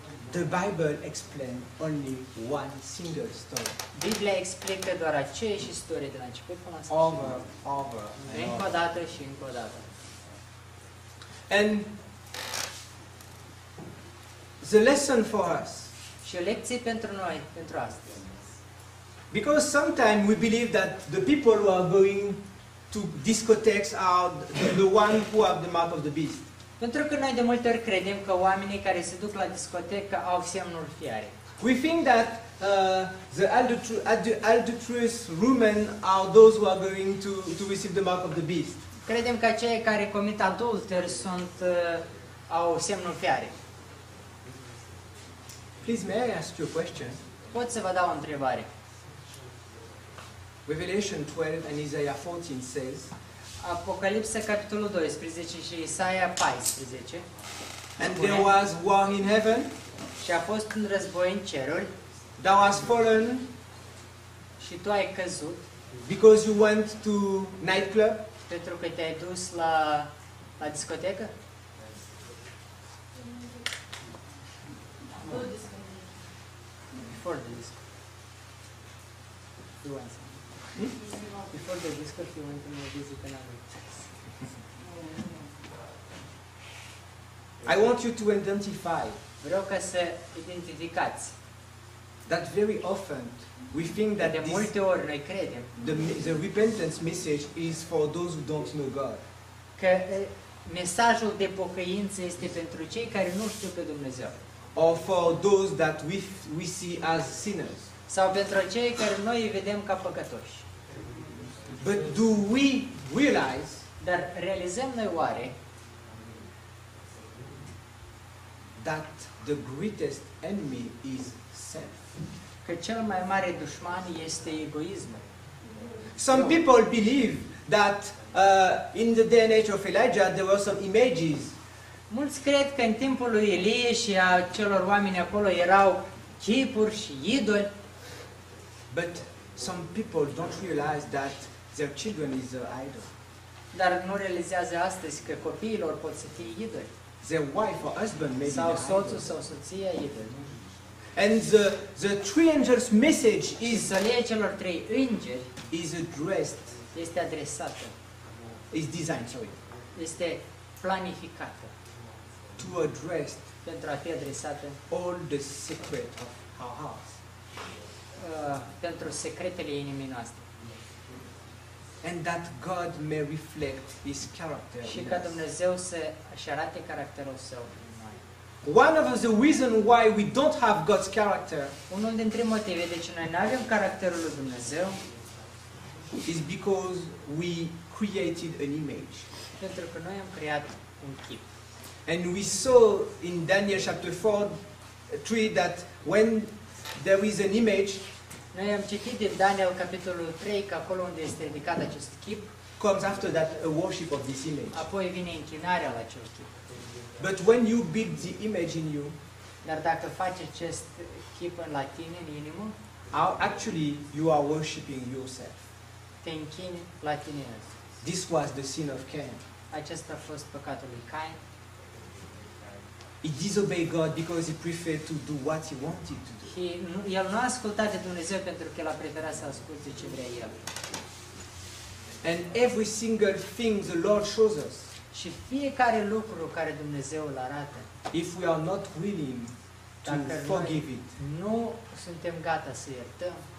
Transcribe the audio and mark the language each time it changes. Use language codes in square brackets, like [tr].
[en] The Bible explains only one single story. [ro] Biblia explică doar aceeași istorie de la început până la sfârșit. [en] Over, over. [ro] Încă o dată și încă o dată. [en] And the lesson for us. [ro] Și o lecție pentru noi, pentru astăzi. [en] Because sometimes we believe that the people who are going to discotheques are the one who have the mark of the beast. [ro] Pentru că noi de multe ori credem că oamenii care se duc la discotecă au semnul fiare. [en] We think that the adulterous women are those who are going to receive the mark of the beast. [ro] Credem că cei care comit adulter sunt au semnul fiare. [en] Please may I ask you a question? [ro] Pot să vă dau o întrebare? [en] Revelation 12 and Isaiah 14 says, [ro] Apocalipsa capitolul 12 și Isaia 14. [en] And there was war in heaven. [ro] Și a fost un război în ceruri. [en] Thou hast fallen. [ro] Și tu ai căzut. [en] Because you went to nightclub. [ro] Pentru că te-ai dus la discotecă. [en] Before the disco. Before the disco, you went to visit another. I want you to identify. [ro] Vreau ca să identificați. [en] That very often we think that [ro] de multe ori noi credem. [en] The repentance message is for those who don't know God. [ro] Că mesajul de pocăință este pentru cei care nu știu pe Dumnezeu. [en] Or for those that we see as sinners. [ro] Sau pentru cei care noi îi vedem ca păcătoși. [en] But do we realize? [ro] Dar realizăm noi oare? [en] That the greatest enemy is self. [ro] Că cel mai mare dușman este egoismul. [en] Some people believe that in the day and age of Elijah there were some images. [ro] Mulți cred că în timpul lui Ilie și a celor oameni acolo erau chipuri și idoli. [en] But some people don't realize that their children is an idol. [ro] Dar nu realizează astăzi că copiilor pot să fie idoli. [en] Their wife or husband may [ro] sau be soțul idol. Sau soția idol. [en] And the three angels message is [ro] salie celor trei îngeri [en] is addressed. [ro] Este adresată. [en] Is designed, sorry. [ro] Este planificată. [en] To address [ro] pentru a fi adresată [en] all the secret of our hearts. [ro] Pentru secretele inimii noastre. [en] And that God may reflect his character. [ro] Și ca Dumnezeu să își arate caracterul său. [en] One of the reasons why we don't have God's character. [ro] Unul dintre motive de ce noi nu avem caracterul lui Dumnezeu [en] is because we created an image. [ro] Pentru că noi am creat un chip. [en] And we saw in Daniel chapter 4:3 that when there is an image. [ro] Noi am citit din Daniel capitolul 3 că acolo unde este ridicat acest chip [en] comes after that a worship of this image. [ro] Apoi vine închinarea la acest chip. [en] But when you build the image in you, [ro] dar dacă faci acest chip în la tine, în inimă, [en] actually you are worshiping yourself. [ro] Te închini la tine însuți. [en] This was the sin of Cain. [ro] Acesta a fost păcatul lui Cain. [en] He disobeyed God because he preferred to do what he wanted to do. [ro] El nu a ascultat de Dumnezeu pentru că el a preferat să asculte ce vrea el. [en] And every single thing the Lord shows us. [ro] Și fiecare lucru care Dumnezeu îl arată. [en] If we are not willing to forgive it. [ro] Nu suntem gata să iertăm.